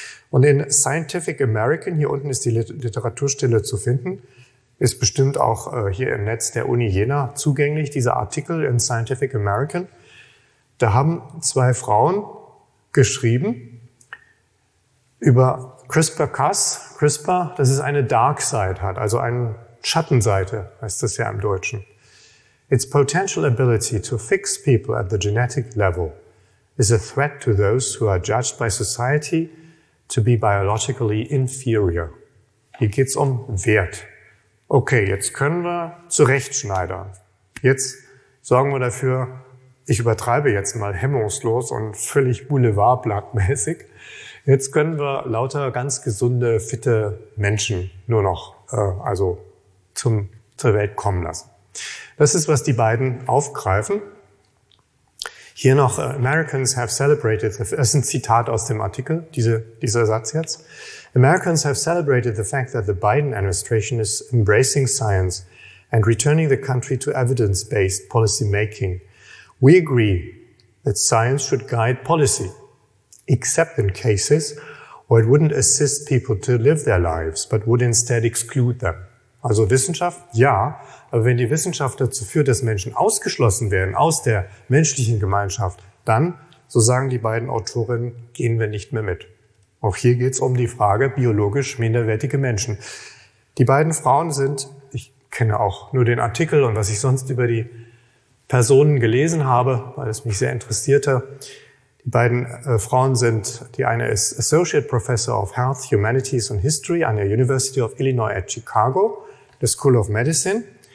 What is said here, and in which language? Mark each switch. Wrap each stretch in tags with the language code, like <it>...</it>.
<de>Und in Scientific American, hier unten ist die Literaturstelle zu finden, ist bestimmt auch hier im Netz der Uni Jena zugänglich, dieser Artikel in Scientific American. Da haben 2 Frauen geschrieben über CRISPR-Cas. CRISPR, das ist eine Dark Side, hat also eine Schattenseite, heißt das ja im Deutschen.</de> <en>Its potential ability to fix people at the genetic level is a threat to those who are judged by society to be biologically inferior.</en> <de>Hier geht es um Wert. Okay, jetzt können wir zurechtschneidern. Jetzt sorgen wir dafür, ich übertreibe jetzt mal hemmungslos und völlig boulevardblattmäßig, jetzt können wir lauter ganz gesunde, fitte Menschen nur noch zur Welt kommen lassen. Das ist, was die beiden aufgreifen. Hier noch,</de> <en>Americans have celebrated,</en> <de>das ist ein Zitat aus dem Artikel, dieser Satz jetzt.</de> <en>Americans have celebrated the fact that the Biden administration is embracing science and returning the country to evidence-based policy making. We agree that science should guide policy, except in cases where it wouldn't assist people to live their lives, but would instead exclude them.</en> <de>Also Wissenschaft, ja, aber wenn die Wissenschaft dazu führt, dass Menschen ausgeschlossen werden aus der menschlichen Gemeinschaft, dann, so sagen die beiden Autorinnen, gehen wir nicht mehr mit. Auch hier geht es um die Frage biologisch minderwertige Menschen. Die beiden Frauen sind, ich kenne auch nur den Artikel und was ich sonst über die Personen gelesen habe, weil es mich sehr interessierte, die beiden Frauen sind, die eine ist Associate Professor of Health, Humanities and History an der University of Illinois at Chicago, der School of Medicine.</de>